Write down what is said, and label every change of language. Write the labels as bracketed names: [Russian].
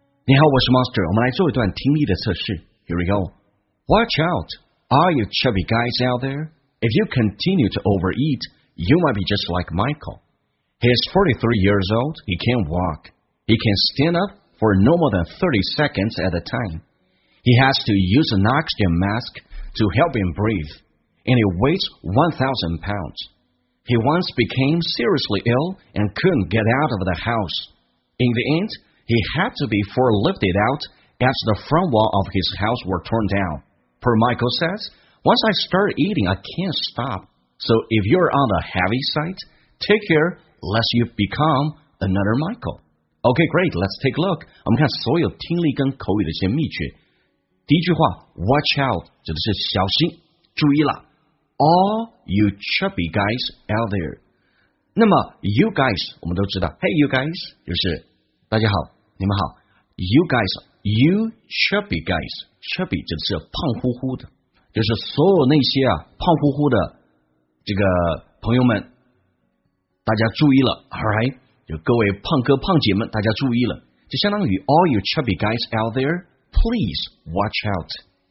[Chinese] 你好，我是 Monster， 我们来做一段听力的测试。 [English] Here we go. Watch out, all you chubby guys out there. If you continue to overeat, you might be just like Michael. He is 43 years old, he can't walk. He can stand up for no more than 30 seconds at a time. He has to use an oxygen mask to help him breathe. And he weighs 1,000 pounds. He once became seriously ill and couldn't get out of the house. In the end,He had to be forklifted out as the front wall of his house were torn down. Per Michael says, once I start eating, I can't stop. So if you're on the heavy side, take care lest you become another Michael. Okay, great, let's take a look. [Chinese] 我们看所有听力跟口语的一些秘诀。第一句话 , [English] watch out, [Chinese] 指的是小心注意了。 [English] All you chubby guys out there. [Chinese] 那么 [English] you guys, [Chinese] 我们都知道 , [English] hey you guys, [Chinese] 就是大家好，你们好 ， [English] You guys, you chubby guys, [Chinese] chubby 指的是胖乎乎的，就是所有那些啊胖乎乎的这个朋友们，大家注意了 ， [English] All right， [Chinese] 就各位胖哥胖姐们，大家注意了，就相当于 [English] All you chubby guys out there, please watch out。